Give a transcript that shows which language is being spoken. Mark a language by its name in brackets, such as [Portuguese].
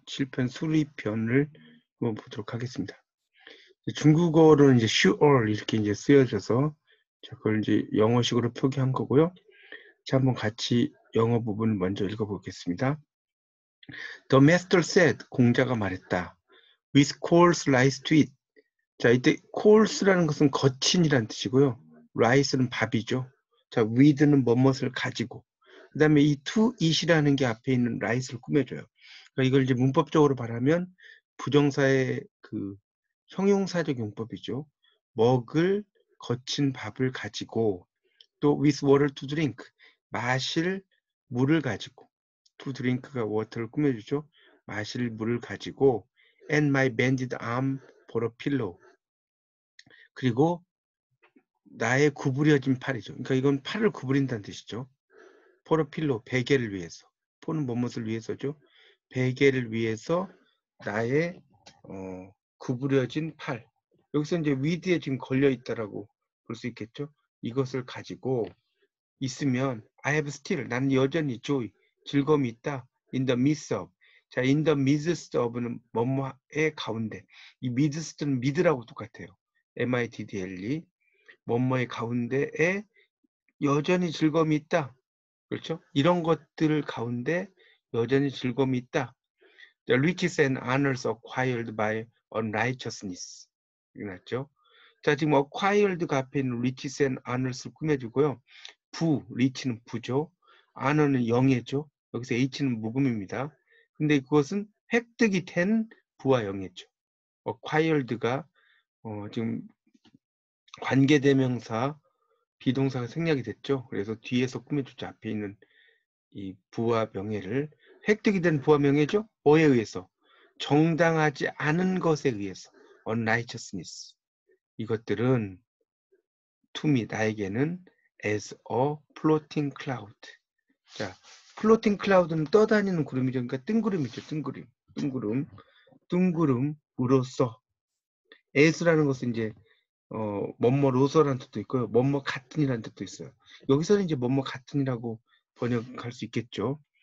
[Korean] 7편 수리편을 한번 보도록 하겠습니다. 중국어로는 이제 슈얼 이렇게 이제 쓰여져서 자, 그걸 이제 영어식으로 표기한 거고요. 자, 한번 같이 영어 부분을 먼저 읽어보겠습니다. [English] The master said, [Korean] 공자가 말했다. [English] With coals lies to eat. [Korean] 자, 이때 coals라는 것은 거친이라는 뜻이고요. rice는 밥이죠. 자, with는 뭐뭇을 가지고. 그 다음에 이 to eat이라는 게 앞에 있는 rice를 꾸며줘요. 그러니까 이걸 이제 문법적으로 말하면 부정사의 그 형용사적 용법이죠. 먹을 거친 밥을 가지고 또 [English] with water to drink. [Korean] 마실 물을 가지고. to drink가 water를 꾸며주죠. 마실 물을 가지고. [English] and my bended arm for a pillow. [Korean] 그리고 나의 구부려진 팔이죠. 그러니까 이건 팔을 구부린다는 뜻이죠. [English] for a pillow, [Korean] 베개를 위해서. for는 뭐뭇을 위해서죠. 베개를 위해서 나의 구부려진 팔. 여기서 이제 위드에 지금 걸려 있다라고 볼수 있겠죠. 이것을 가지고 있으면 [English] I have still, [Korean] 나는 여전히 joy, 즐거움이 있다. [English] in the midst of. [Korean] 자, [English] in the midst of [Korean] 는 뭐뭇의 가운데. 이 midst는 mid라고 똑같아요. MIDDLE, 뭐뭐의 가운데에 여전히 즐거움이 있다. 그렇죠? 이런 것들 가운데 여전히 즐거움이 있다. [English] The riches and honors acquired by unrighteousness. [Korean] 이렇게 났죠? 자, 지금 acquired가 앞에 있는 riches and honors를 꾸며주고요. 부, rich는 부죠. honor는 영예죠. 여기서 h는 묵음입니다. 근데 그것은 획득이 된 부와 영예죠. acquired가 지금 관계대명사 비동사가 생략이 됐죠. 그래서 뒤에서 꾸며주죠. 앞에 있는 이 부와 명예를 획득이 된 부와 명예죠. 뭐에 의해서? 정당하지 않은 것에 의해서. [English] unrighteousness. [Korean] 이것들은 [English] to me [Korean] 나에게는 [English] as a floating cloud. [Korean] 자, floating cloud는 떠다니는 구름이죠. 그러니까 뜬구름이죠. 뜬구름. 뜬구름. 뜬구름으로써. as라는 것은 이제 뭐뭐로서라는 뜻도 있고요. 뭐뭐 같은이라는 뜻도 있어요. 여기서는 이제 뭐뭐 같은이라고 번역할 수 있겠죠.